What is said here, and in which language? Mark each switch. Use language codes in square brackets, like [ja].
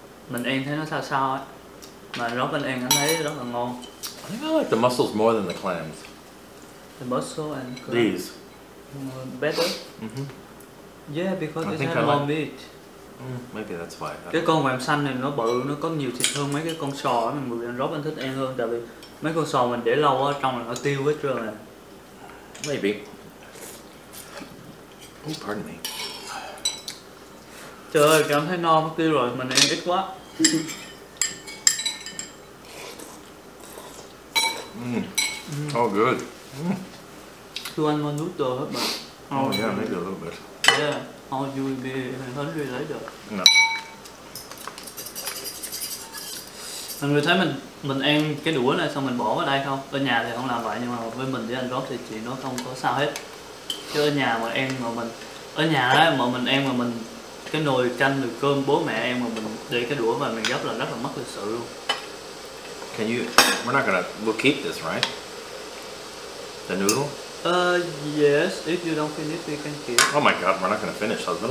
[vi] Mình ăn thấy nó sao sao ấy, mà anh Rob anh ăn anh thấy rất là ngon. [en] I think I like the mussels more than the clams. The mussel and clams. These. Better? Yeah, because it has more meat. Maybe that's why. [vi] Cái con mèm xanh này nó bự, nó có nhiều thịt hơn mấy cái con sò ấy. Mình mùi anh Rob anh thích ăn hơn. Tại vì mấy con sò mình để lâu ở trong là nó tiêu hết trơn rồi. [en] Maybe. Oh, pardon me. [vi] Trời ơi, cảm thấy no mất tiêu rồi. Mình ăn ít quá. [en] Oh, good. Do you want more noodle, husband? Oh, yeah, maybe a little bit. Yeah, or you will be hungry later. No. [vi] Mọi người thấy mình ăn cái đũa này xong mình bỏ vào đây không? Ở nhà thì không làm vậy, nhưng mà với mình với anh Rob thì chuyện nó không có sao hết. Chứ ở nhà mà ăn mà mình... Ở nhà ấy, mà mình ăn mà mình... Cái nồi canh được cơm bố mẹ em mà mình để cái đũa mà mình gấp là rất là mất lịch sự luôn. [en] Can you, we're not gonna, we'll keep this, right? The noodle? Yes, if you don't finish, we can keep. Oh my god, we're not gonna finish, husband.